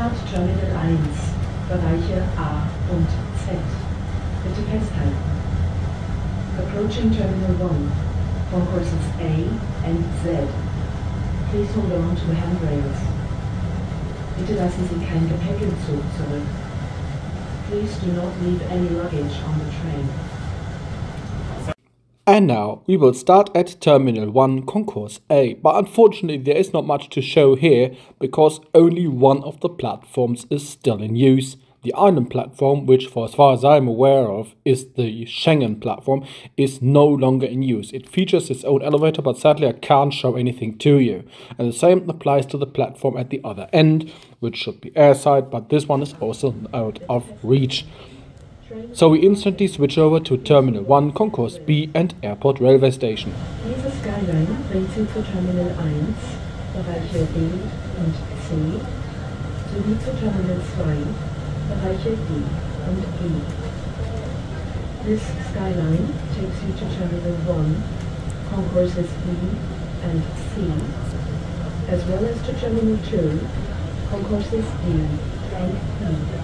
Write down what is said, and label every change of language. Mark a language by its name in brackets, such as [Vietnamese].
[German] Terminal 1, Bereiche A und Z. Bitte festhalten. [English] Approaching Terminal 1, concourses A and Z. Please hold on to the handrails. [German] Bitte lassen Sie kein Gepäck im Zug zurück. [English] Please do not leave any luggage on the train. And now, we will start at Terminal 1, Concourse A. But unfortunately, there is not much to show here, because only one of the platforms is still in use. The island platform, which for as far as I am aware of, is the Schengen platform, is no longer in use. It features its own elevator, but sadly I can't show anything to you. And the same applies to the platform at the other end, which should be Airside, but this one is also out of reach. So we instantly switch over to Terminal 1, Concourse B and Airport Railway Station. [German] Dieser Skyline bringt Sie zu Terminal 1, Bereiche B und C, sowie zu Terminal 2, Bereiche D und E. [English] This Skyline takes you to Terminal 1, Concourses B and C, as well as to Terminal 2, Concourses D and E.